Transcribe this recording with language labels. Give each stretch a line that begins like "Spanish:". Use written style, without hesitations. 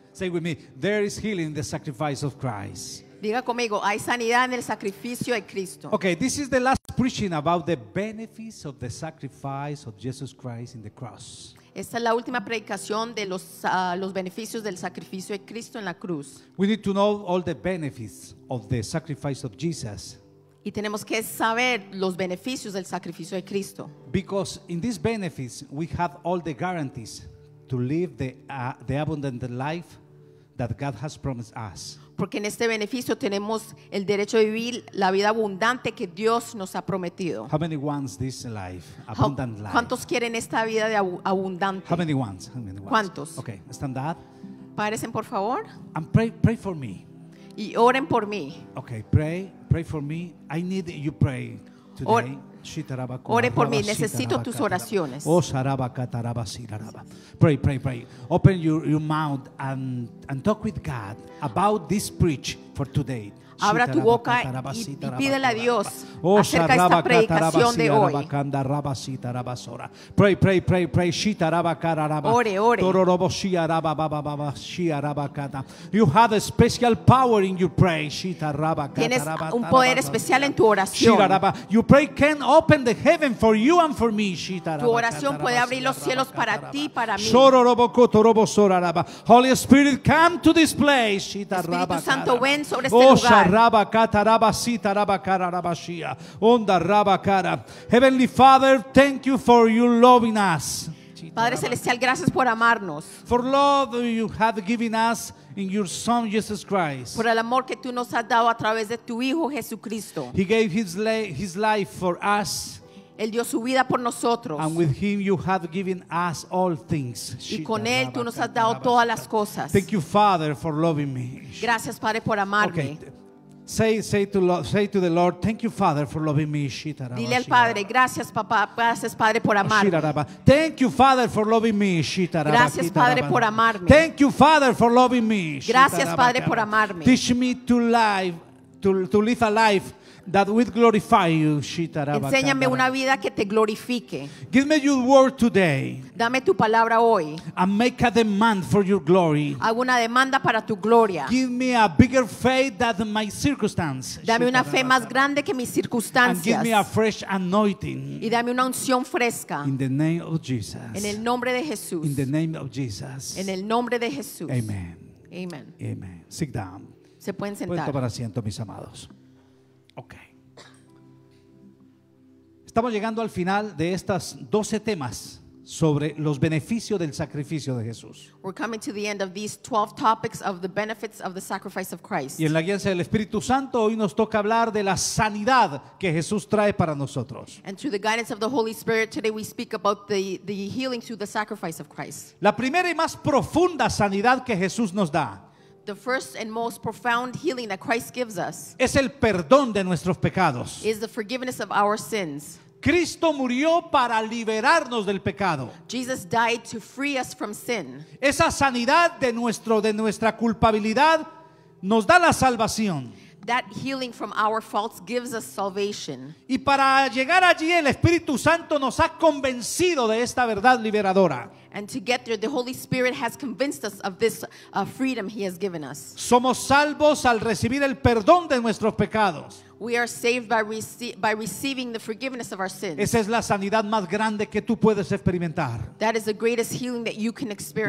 English: Say with me, there is healing in the sacrifice of Christ.
Spanish: Diga conmigo, hay sanidad en el sacrificio de Cristo.
English: Okay, this is the last preaching about the benefits of the sacrifice of Jesus Christ in the cross.
Spanish: Esta es la última predicación de los beneficios del sacrificio de Cristo en la cruz.
English: We need to know all the benefits of the sacrifice of Jesus.
Spanish: Y tenemos que saber los beneficios del sacrificio de Cristo.
English: Because in these benefits we have all the guarantees to live the abundant life that God has promised us.
Spanish: Porque en este beneficio tenemos el derecho de vivir la vida abundante que Dios nos ha prometido.
English: How many wants this life, abundant life?
Spanish: ¿Cuántos quieren esta vida de abundante?
English: How many wants?
Spanish: ¿Cuántos?
English: Okay, stand up.
Spanish: Párense por favor.
English: And pray for me.
Spanish: Y oren por mí.
English: Okay, pray for me. I need you pray today.
Spanish: Ore por mí, necesito tus oraciones. Oh, saraba kataraba siraba.
English: Pray. Open your mouth and talk with God about this preach for today.
Spanish: Abra tu boca y pídele a Dios acerca de esta predicación de hoy.
English: Pray. Shitaraba kararaba.
Spanish: Ore. Tororobo siaraba bababa siaraba kata.
English: You have a special power in your prayer. Shitaraba kataraba.
Spanish: Tienes un poder especial en tu oración. Shitaraba.
English: You pray can open the heaven for you and for me. Shitaraba.
Spanish: Tu oración puede abrir los cielos para ti y para mí. Shororobo kotorobo soraraba.
English: Holy Spirit, come to this place. Shitaraba.
Spanish: Espíritu Santo, ven sobre este lugar.
English: Heavenly Father, thank you for your loving us.
Spanish: Padre celestial, gracias por amarnos.
English: For love you have given us in your Son Jesus Christ.
Spanish: Por el amor que tú nos has dado a través de tu Hijo Jesucristo.
English: He gave his life for us.
Spanish: Él dio su vida por nosotros.
English: And with him you have given us all things.
Spanish: Y con él tú nos has dado todas las cosas.
English: Thank you, Father, for loving me.
Spanish: Gracias, Padre, por amarme.
English: Okay. Say to the Lord, thank you, Father, for loving me. Shitaraba.
Spanish: Dile al Padre, gracias, papá, gracias, Padre, por amarme. Shitaraba.
English: Thank you, Father, for loving me. Shitaraba.
Spanish: Gracias, Padre, por amarme.
English: Thank you, Father, for loving me.
Spanish: Gracias, Padre, por amarme.
English: Teach me to live a life that would glorify you. Shitaraba.
Spanish: Enséñame una vida que te glorifique.
English: Give me your word today.
Spanish: Dame tu palabra hoy.
English: And make a demand for your glory.
Spanish: Hago una demanda para tu gloria.
English: Give me a bigger faith than my circumstances.
Spanish: Dame una fe más grande que mis circunstancias.
English: And give me a fresh anointing.
Spanish: Y dame una unción fresca.
English: In the name of Jesus.
Spanish: En el nombre de Jesús.
English: In the name of Jesus.
Spanish: En el nombre de Jesús.
English: Amen.
Spanish: Amen.
English: Amen. Sit down.
Spanish: Se pueden sentar. Pueden tomar asiento, mis amados. Okay. Estamos llegando al final de estas 12 temas sobre los beneficios del sacrificio de Jesús.
English: We're coming to the end of these 12 topics of the benefits of the sacrifice of Christ.
Spanish: Y en la guía del Espíritu Santo hoy nos toca hablar de la sanidad que Jesús trae para nosotros.
English: And through the guidance of the Holy Spirit today we speak about the healing through the sacrifice of Christ.
Spanish: La primera y más profunda sanidad que Jesús nos da.
English: The first and most profound healing that Christ gives us
Spanish: es el perdón de nuestros pecados.
English: Is the forgiveness of our sins.
Spanish: Cristo murió para liberarnos del pecado.
English: Jesus died to free us from sin.
Spanish: Esa sanidad de nuestra culpabilidad nos da la salvación.
English: That healing from our faults gives us salvation.
Spanish: Y para llegar allí, el Espíritu Santo nos ha convencido de esta verdad liberadora.
English: And to get there, the Holy Spirit has convinced us of this freedom He has given us.
Spanish: Somos salvos al recibir el perdón de nuestros pecados.
English: We are saved by receiving the forgiveness of our sins.
Spanish: Esa es la sanidad más grande que tú puedes experimentar.
English: That is the greatest healing that you can experience.